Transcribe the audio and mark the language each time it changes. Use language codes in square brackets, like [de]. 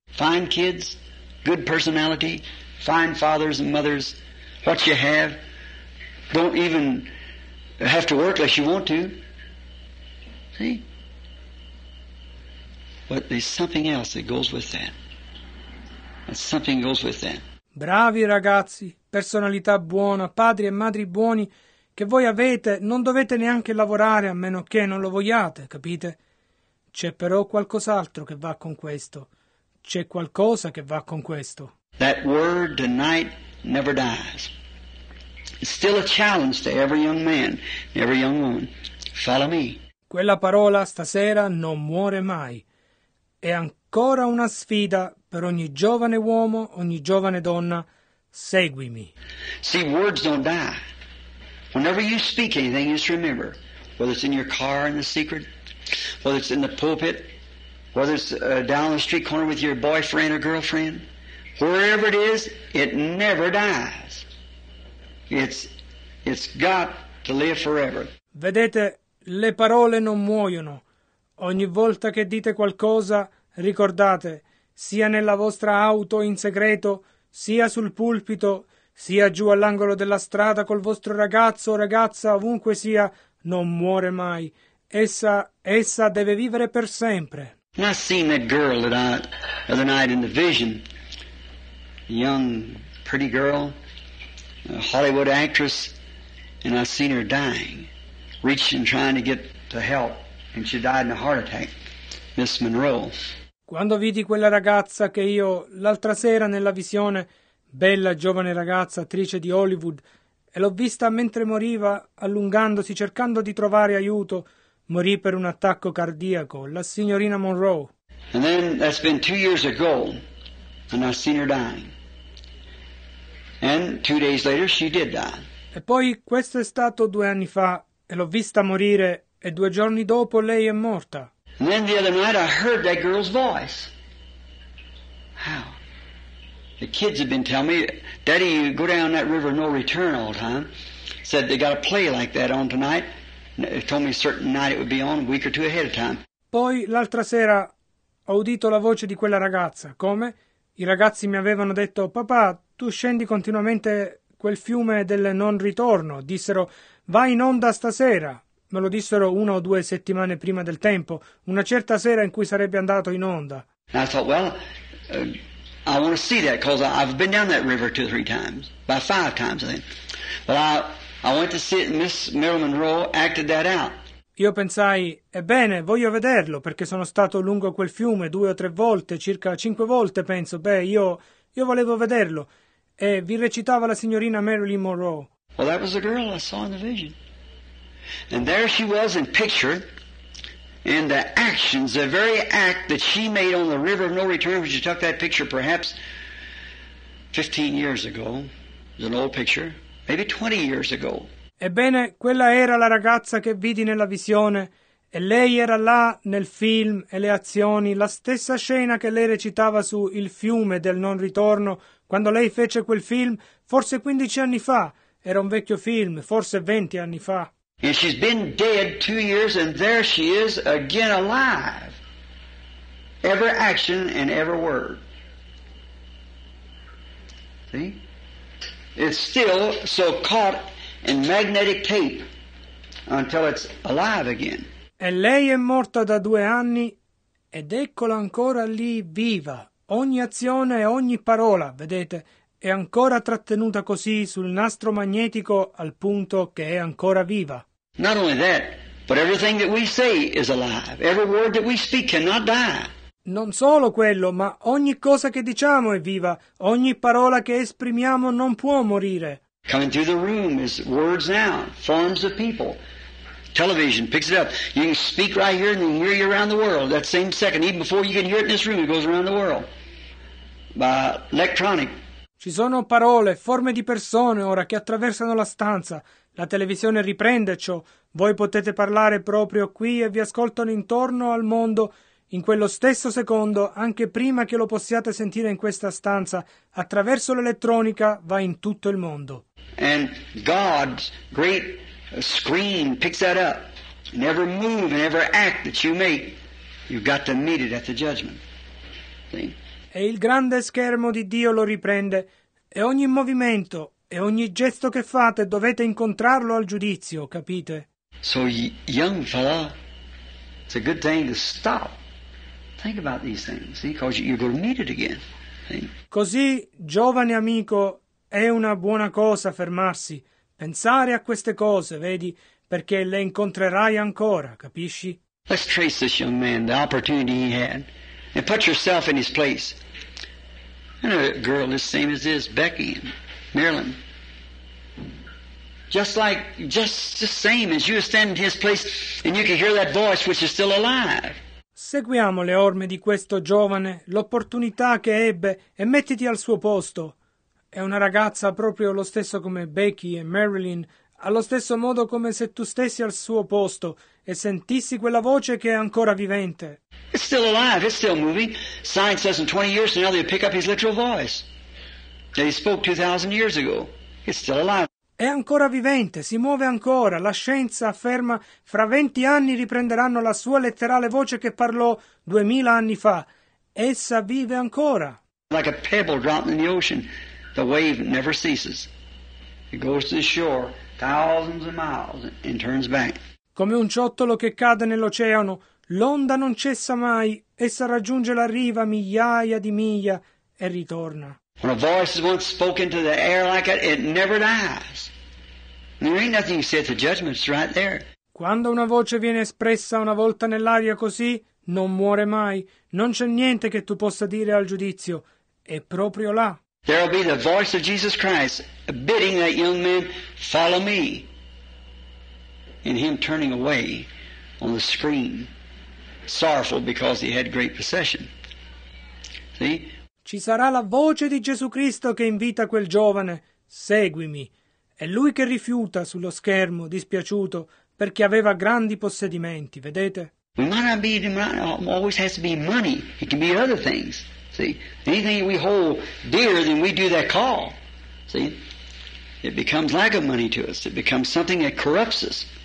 [en] Fine kids, good personality, fine fathers and mothers, what you have, don't even have to work unless you want to. See? But there's something else that goes with that. Something goes with that. [it] Bravi ragazzi, personalità buona, padri e madri buoni, che voi avete, non dovete neanche lavorare a meno che non lo vogliate, capite? C'è però qualcos'altro che va con questo. C'è qualcosa che va con questo. [en] That word tonight never dies. It's still a challenge to every young man, every young woman. Follow me. [it] Quella parola stasera non muore mai. È ancora una sfida per ogni giovane uomo, ogni giovane donna. Seguimi. [en] See, words don't die. Whenever you speak anything, just remember, whether it's in your car in the secret, whether it's in the pulpit, whether it's down the street corner with your boyfriend or girlfriend, wherever it is, it never dies. It's got to live forever. [it] Vedete, le parole non muoiono. Ogni volta che dite qualcosa, ricordate, sia nella vostra auto in segreto, sia sul pulpito, sia giù all'angolo della strada col vostro ragazzo o ragazza, ovunque sia, non muore mai. Essa deve vivere per sempre. [en] I seen that girl that I, the night in the vision, a young, pretty girl, a Hollywood actress, and I seen her dying, reaching, trying to get to help. And she died in a heart attack, Miss Monroe. [it] Quando vidi quella ragazza che io l'altra sera nella visione, bella giovane ragazza, attrice di Hollywood, e l'ho vista mentre moriva, allungandosi, cercando di trovare aiuto, morì per un attacco cardiaco, la signorina Monroe. [en] And then that's been 2 years ago, and I've seen her dying. And 2 days later she did die. [it] E poi questo è stato 2 anni fa, e l'ho vista morire. E 2 giorni dopo lei è morta. [en] And then the other night I heard that girl's voice. How? The kids have been telling me, Daddy, you go down that river, no return all the time. Said they got a play like that on tonight. They told me a certain night it would be on, a week or two ahead of time. [it] Poi l'altra sera ho udito la voce di quella ragazza. Come? I ragazzi mi avevano detto, papà, tu scendi continuamente quel fiume del non ritorno. Dissero, vai in onda stasera. Me lo dissero 1 o 2 settimane prima del tempo, una certa sera in cui sarebbe andato in onda. [en] I thought, well, I want to see that because I've been down that river 2 or 3 times, by 5 times I think. But I went to see it and Miss Marilyn Monroe acted that out. [it] Io pensai, ebbene, voglio vederlo perché sono stato lungo quel fiume 2 o 3 volte, circa 5 volte penso. Beh, io volevo vederlo e vi recitava la signorina Marilyn Monroe. [en] Well, that was the girl I saw in the vision. And there she was in picture, and the actions, the very act that she made on the river of no return, when she took that picture perhaps 15 years ago, it was an old picture, maybe 20 years ago. [it] Ebbene, quella era la ragazza che vidi nella visione, e lei era là nel film e le azioni, la stessa scena che lei recitava su Il fiume del non ritorno, quando lei fece quel film, forse 15 anni fa, era un vecchio film, forse 20 anni fa. [en] And she's been dead 2 years, and there she is again alive. Every action and every word. See? It's still so caught in magnetic tape until it's alive again. [it] E lei è morta da 2 anni, ed eccola ancora lì viva. Ogni azione e ogni parola, vedete, è ancora trattenuta così sul nastro magnetico al punto che è ancora viva. [en] Not only that, but everything that we say is alive. Every word that we speak cannot die. [it] Non solo quello, ma ogni cosa che diciamo è viva. Ogni parola che esprimiamo non può morire. [en] coming through the room is words now, forms of people. Television picks it up. You can speak right here and they hear you around the world. That same second, even before you can hear it in this room, it goes around the world. By electronic. [it] Ci sono parole, forme di persone ora che attraversano la stanza. La televisione riprende ciò. Voi potete parlare proprio qui e vi ascoltano intorno al mondo in quello stesso secondo, anche prima che lo possiate sentire in questa stanza. Attraverso l'elettronica va in tutto il mondo. [en] And God's great screen picks that up. And every move and every act that you make, you've got to meet it at the judgment. See? [it] E il grande schermo di Dio lo riprende, e ogni movimento e ogni gesto che fate dovete incontrarlo al giudizio, capite? [en] So young fella, it's a good thing to stop. Think about these things, see, because you're going to meet it again. [it] Così, giovane amico, è una buona cosa fermarsi, pensare a queste cose, vedi, perché le incontrerai ancora, capisci? [en] Let's trace this young man, the opportunity he had. And put yourself in his place. And a girl the same as this, Becky in Maryland. Just the same as you stand in his place and you can hear that voice which is still alive. [it] Seguiamo le orme di questo giovane, l'opportunità che ebbe, e mettiti al suo posto. È una ragazza proprio lo stesso come Becky e Marilyn, allo stesso modo come se tu stessi al suo posto e sentissi quella voce che è ancora vivente. [en] It's still alive, it's still moving. Science says in 20 years from now they'll pick up his literal voice that he spoke 2,000 years ago. It's still alive. [it] È ancora vivente, si muove ancora. La scienza afferma fra 20 anni riprenderanno la sua letterale voce che parlò 2,000 anni fa. Essa vive ancora. [en] Like a pebble dropped in the ocean, the wave never ceases. It goes to the shore thousands of miles and turns back. [it] Come un ciottolo che cade nell'oceano, l'onda non cessa mai, essa raggiunge la riva migliaia di miglia e ritorna. [en] When a voice is once spoken to the air like it, it never dies. There ain't nothing you say at the judgment, it's right there. [it] Quando una voce viene espressa una volta nell'aria così, non muore mai. Non c'è niente che tu possa dire al giudizio. È proprio là. [en] There'll be the voice of Jesus Christ bidding that young man, follow me. And him turning away on the screen. Sorrowful because he had great possession. See? [it] Ci sarà la voce di Gesù Cristo che invita quel giovane, seguimi. È lui che rifiuta sullo schermo, dispiaciuto, perché aveva grandi possedimenti, vedete? [en] We might not be, always has to be money. It can be other things. See? Anything we hold dearer than we do that call. See? It becomes like a money to us. It becomes something that corrupts us.